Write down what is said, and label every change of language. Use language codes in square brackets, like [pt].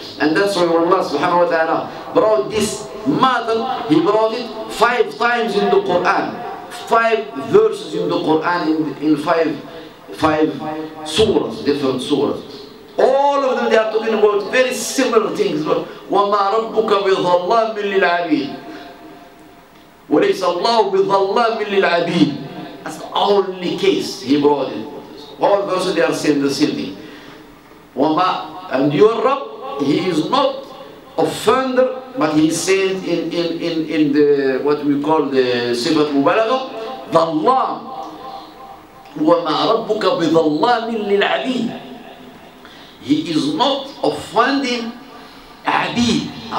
[en] And that's why Allah subhanahu wa ta'ala brought this matter, He brought it 5 times in the Quran. 5 verses in the Quran in five surahs, different surahs. All of them, they are talking about very similar things. [ar] وَمَا رَبُّكَ بِظَلَّامٍ لِلْعَبِيدِ وَلَيْسَ اللَّهُ بِظَلَّامٍ لِلْعَبِيدِ [en] That's the only case He brought in. All verses, they are saying the same thing. And your Rabb, He is not offender, but He said in the what we call the Sifat Mubalagha, [ar] ظَلَّام وَمَا رَبُّكَ بِظَلَّامٍ لِلْعَبِيدِ [en] He is not offending Abid.